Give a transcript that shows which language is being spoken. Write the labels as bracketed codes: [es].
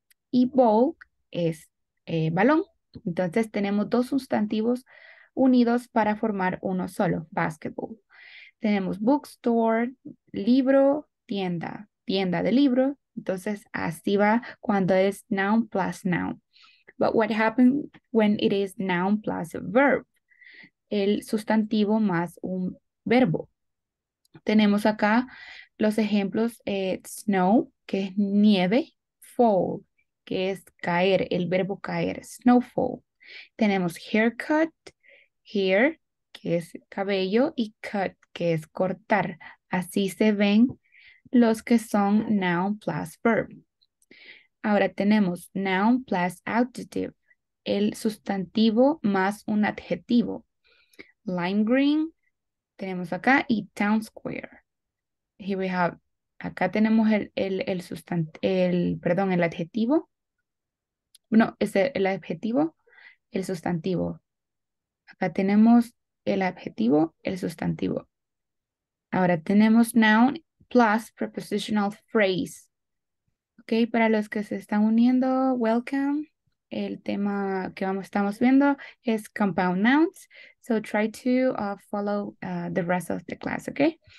[es] Y ball es balón. Entonces tenemos dos sustantivos unidos para formar uno solo, basketball. Tenemos bookstore, libro, tienda, tienda de libro. Entonces, así va cuando es noun plus noun. [en] But what happens when it is noun plus verb? [es] El sustantivo más un verbo. Tenemos acá los ejemplos, snow, que es nieve, fall, que es caer, el verbo caer, snowfall. Tenemos haircut, hair, que es cabello, y cut, que es cortar. Así se ven los que son noun plus verb. Ahora tenemos noun plus adjective, el sustantivo más un adjetivo. Lime green, tenemos acá, y town square. [en] Here we have, [es] acá tenemos el adjetivo. No, es el adjetivo, el sustantivo. Acá tenemos el adjetivo, el sustantivo. Ahora tenemos noun plus prepositional phrase. Ok, para los que se están uniendo, welcome. El tema que estamos viendo es compound nouns. [en] So try to follow the rest of the class, ok?